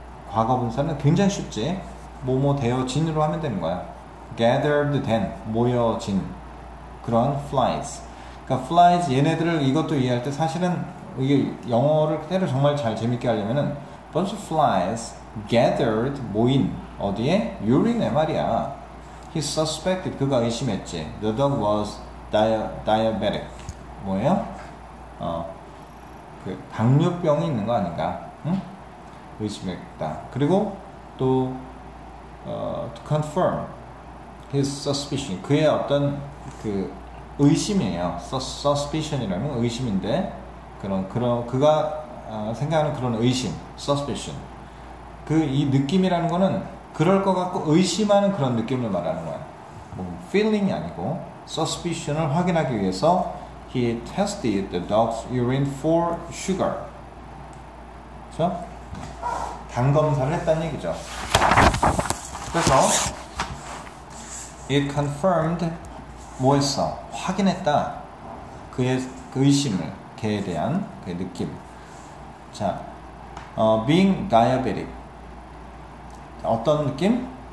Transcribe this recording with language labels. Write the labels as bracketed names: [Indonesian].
[Korean] 과거분사는 굉장히 쉽지. 뭐뭐 되어진으로 하면 되는 거야. [English] Gathered then [Korean] 모여진 그런 [English] flies. [Korean] 그러니까 flies 얘네들을 이것도 이해할 때 사실은 이게 영어를 그대로 정말 잘 재밌게 하려면은 [English] bunch of flies gathered [Korean] 모인 어디에 urine 말이야. [English] He suspected [Korean] 그가 의심했지. [English] The dog was diabetic. [Korean] 뭐예요? 그 당뇨병이 있는 거 아닌가? 응? 의심했다. 그리고 또 [English] to confirm. His suspicion. [Korean] 그의 어떤 그 의심이에요. Suspicion이라면 의심인데 그가 생각하는 그런 의심. Suspicion. 그 이 느낌이라는 거는 그럴 것 같고 의심하는 그런 느낌을 말하는 거예요. 뭐 feeling이 아니고 suspicion을 확인하기 위해서 [English] he tested the dog's urine for sugar. [Korean] 그렇죠? 단 검사를 했다는 얘기죠. 그래서 [English] it confirmed [Korean] 뭐였어? 확인했다. 그의 그 의심을, 걔에 대한 그 느낌. 자, being diabetic. 어떤 느낌?